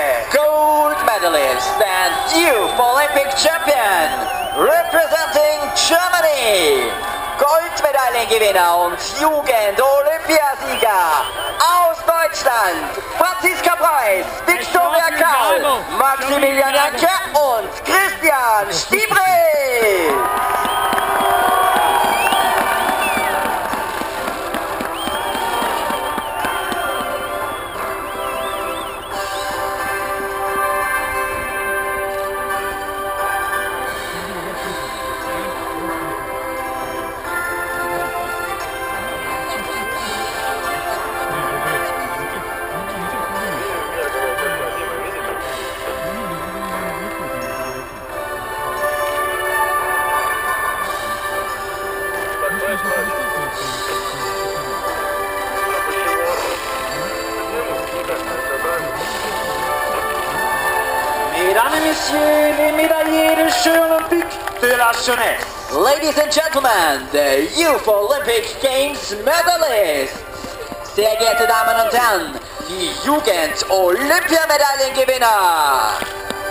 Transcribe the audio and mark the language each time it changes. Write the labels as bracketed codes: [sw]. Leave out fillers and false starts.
[en] Gold medalist and youth Olympic champion, representing Germany. [de] Goldmedaillengewinner und Jugend-Olympiasieger aus Deutschland, Franziska Preuß, Victoria Karl, Maximilian Janke und Christian Stiebre. [en] Thank you. [fr] Mesdames et messieurs, les médaillés des Jeux Olympiques de la jeunesse. [en] Ladies and gentlemen, the Youth Olympic Games medalists. [de] Sehr geehrte Damen und Herren, die Jugend Olympiamedaillengewinner.